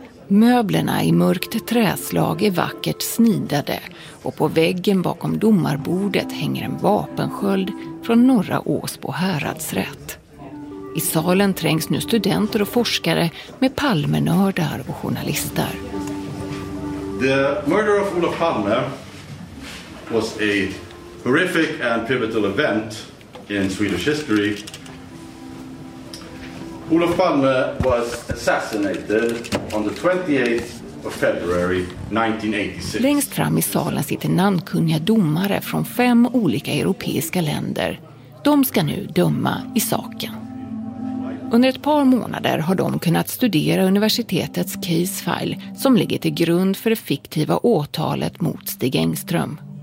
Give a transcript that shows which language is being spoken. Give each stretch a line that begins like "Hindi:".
Swedish: Möblerna i mörkt träslag är vackert snidade och på väggen bakom domarbordet hänger en vapensköld från Norra Åsbo häradsrätt. I salen trängs nu studenter och forskare med palmenördar och journalister.
English: The murder of Olof Palme was a horrific and pivotal event in Swedish history. Olof Palme was assassinated on the 28th of February 1986.
Swedish: Längst fram i salen sitter namnkunniga domare från 5 olika europeiska länder. De ska nu döma i saken. Under ett par månader har de kunnat studera universitetets case file som ligger till grund för det fiktiva åtalet mot Stig Engström.